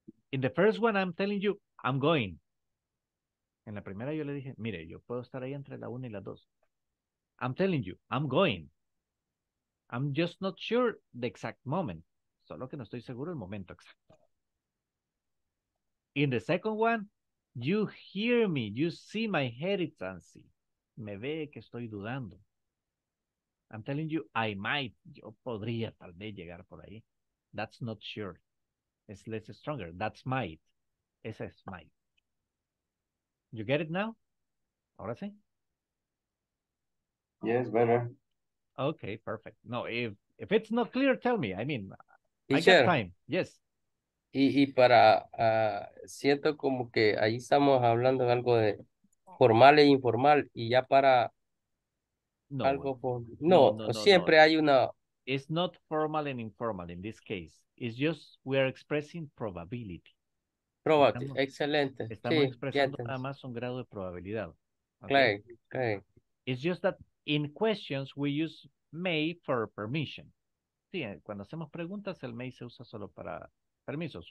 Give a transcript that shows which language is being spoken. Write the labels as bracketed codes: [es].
[en] In the first one, I'm telling you, I'm going. [es] En la primera yo le dije, mire, yo puedo estar ahí entre la 1 y la 2. [en] I'm telling you, I'm going. I'm just not sure the exact moment. [es] Solo que no estoy seguro el momento exacto. [en] In the second one, you hear me, you see my hesitancy. [es] Me ve que estoy dudando. [en] I'm telling you, I might, [es] yo podría tal vez llegar por ahí. [en] That's not sure. It's less stronger. That's might. [es] Ese es might. [en] You get it now? [es] Ahora sí? [en] Yes, better. Okay, perfect. No, if it's not clear, tell me. I mean... Teacher, I got time. Yes. [es] Y para, siento como que ahí estamos hablando de algo de formal e informal, y ya para no, algo formal. No, siempre hay una... [en] It's not formal and informal in this case. It's just we are expressing probability. [es] Probability, estamos, excelente. Estamos sí, expresando nada más un grado de probabilidad. Okay? Claro. [en] It's just that in questions we use may for permission. [es] Cuando hacemos preguntas, el may se usa solo para permisos.